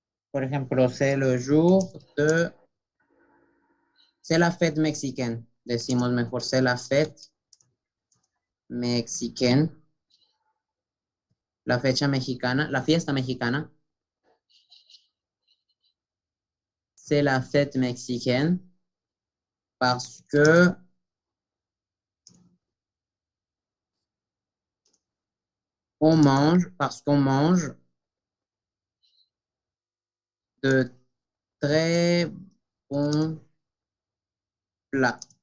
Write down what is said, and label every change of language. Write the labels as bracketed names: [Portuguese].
[Spanish] Por ejemplo, [French] c'est le jour de... C'est la fête mexicaine. [Spanish] Decimos mejor, [French] c'est la fête mexicaine. [Spanish] La fecha mexicana, la fiesta mexicana. [French] C'est la fête mexicaine parce que on mange, parce qu'on mange de très bons plats.